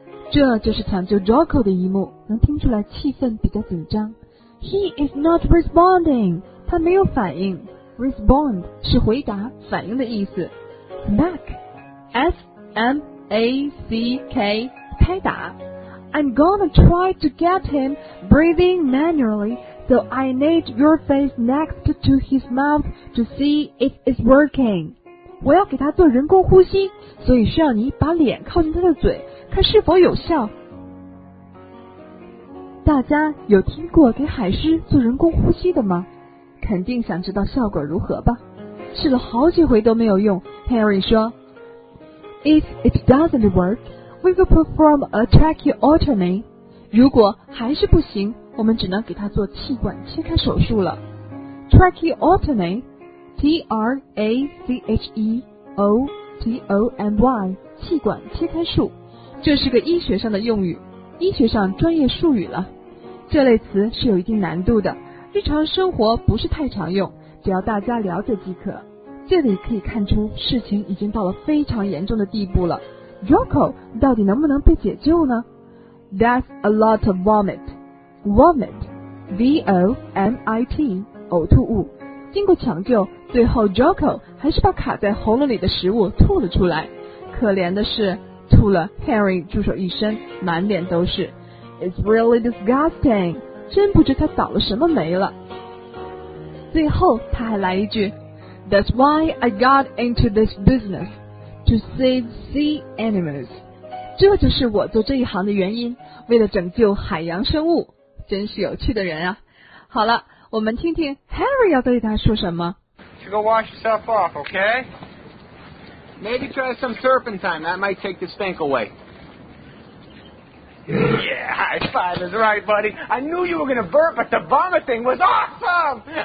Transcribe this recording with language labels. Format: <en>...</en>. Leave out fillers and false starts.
<zh>这就是抢救 Jocko 的一幕，能听出来气氛比较紧张。</zh> <en>He is not responding.</en> <zh>他没有反应。 Respond 是回答、反应的意思。 Smack, S-M-A-C-K, 拍打。</zh> <en>I'm gonna try to get him breathing manually, so I need your face next to his mouth to see if it's working.</en> <zh>我要给他做人工呼吸，所以需要你把脸靠近他的嘴，看是否有效。大家有听过给海狮做人工呼吸的吗？肯定想知道效果如何吧？试了好几回都没有用。</zh> <en>Harry</en> <zh>说</zh> <en>：“If it doesn't work, we will perform a tracheotomy.</en> <zh>如果还是不行，我们只能给他做气管切开手术了。 Tracheotomy, T-R-A-C-H-E-O-T-O-M-Y, 气管切开术，这是个医学上的用语，医学上专业术语了。这类词是有一定难度的。” 日常生活不是太常用，只要大家了解即可。这里可以看出事情已经到了非常严重的地步了。 Jocko 到底能不能被解救呢？</zh> <en>That's a lot of vomit.</en> <zh>Vomit, V-O-M-I-T, 呕吐物。经过抢救，最后 Jocko 还是把卡在喉咙里的食物吐了出来。可怜的是吐了 Harry 助手一身，满脸都是。</zh> <en>It's really disgusting.</en> <zh>真不知他倒了什么霉了。最后他还来一句</zh> <en>That's why I got into this business, to save sea animals.</en> <zh>这就是我做这一行的原因，为了拯救海洋生物。真是有趣的人啊。好了，我们听听 Harry 要对他说什么。</zh> <en>To go wash yourself off, okay? Maybe try some serpentine, that might take the stink away. Yeah, high five is right, buddy. I knew you were going to burp, but the vomit thing was awesome!</en>